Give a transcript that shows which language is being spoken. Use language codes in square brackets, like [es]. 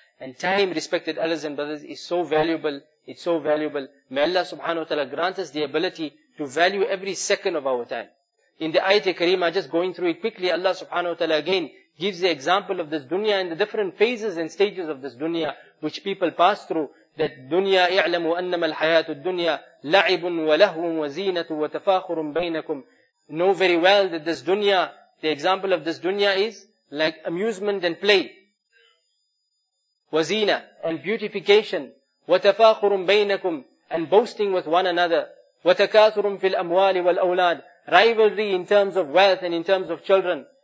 [en] And time, respected elders and brothers, is so valuable. It's so valuable. May Allah subhanahu wa ta'ala grant us the ability to value every second of our time. In the ayat kareema, just going through it quickly, Allah subhanahu wa ta'ala again gives the example of this dunya and the different phases and stages of this dunya which people pass through. That dunya, [ar] اِعْلَمُوا أَنَّمَا الْحَيَاةُ الدُّنْيَا لَعِبٌ وَلَهْوٌ وَزِينَةٌ وَتَفَاخُرٌ بَيْنَكُمْ. [en] Know very well that this dunya, the example of this dunya is like amusement and play. Wazina and beautification. [ar] وَتَفَاخُرٌ بَيْنَكُمْ, [en] and boasting with one another. [ar] وَتَكَاثُرٌ فِي الْأَمْوَالِ وَالْأَوْلَادِ, [en] rivalry in terms of wealth and in terms of children.